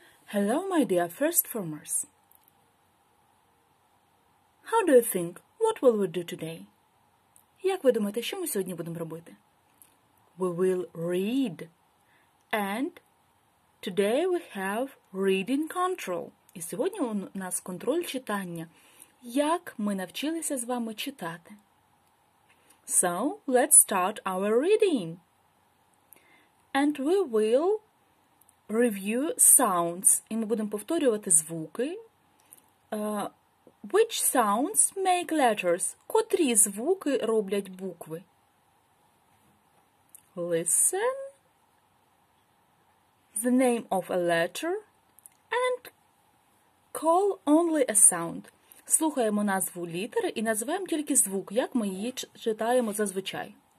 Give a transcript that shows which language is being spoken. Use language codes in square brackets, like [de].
[en] Hello, my dear first formers. How do you think, what will we do today? [uk] Як ви думаєте, що ми сьогодні будемо робити? [en] We will read. And today we have reading control. [uk] І сьогодні у нас контроль читання. Як ми навчилися з вами читати? [en] So, let's start our reading. And we will review sounds. [uk] І ми будемо повторювати звуки. [en] Which sounds make letters? [uk] Котрі звуки роблять букви? [en] Listen. The name of a letter. And call only a sound. [uk] Слухаємо назву літери і називаємо тільки звук, як ми її читаємо зазвичай.